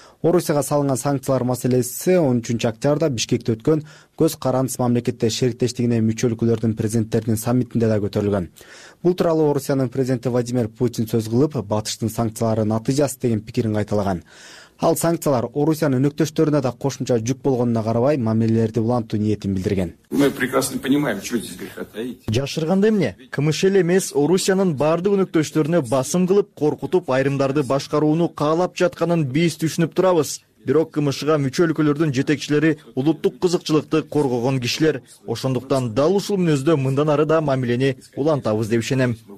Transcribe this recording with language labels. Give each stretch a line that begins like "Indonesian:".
Kyrgyz: Орусияга салынган санкциялар маселеси 13 октябрда Бишкекте өткөн көз карандысыз мамлекеттер шериктештигине мүчө өлкөлөрдүн президенттеринин саммитинде да көтөрүлгөн. Бул тууралуу Орусиянын президенти Владимир Путин сөз кылып, батыштын санкцияларынын натыйжасы деген пикирин кайталаган. Ал санкциялар Орусиянын өнөктөштөрүнө да кошумча жүк болгонуна карабай, мамилелерди улантуу ниетин билдирген.
Russian: Мы прекрасно понимаем, что здесь греха таить.
Kyrgyz: Жашырганда эмне? КМШ эле эмес, Орусиянын баардык өнөктөштөрүнө басым кылып, коркутуп, айрымдарды башкарууну каалап жатканын биз түшүнүп турабыз. Бирок КМШга мүчө өлкөлөрдүн жетекчилери улуттук кызыкчылыкты коргогон кишилер. Ошондуктан дал ушул мүнөздө мындан ары да мамилени улантабыз деп ишенем.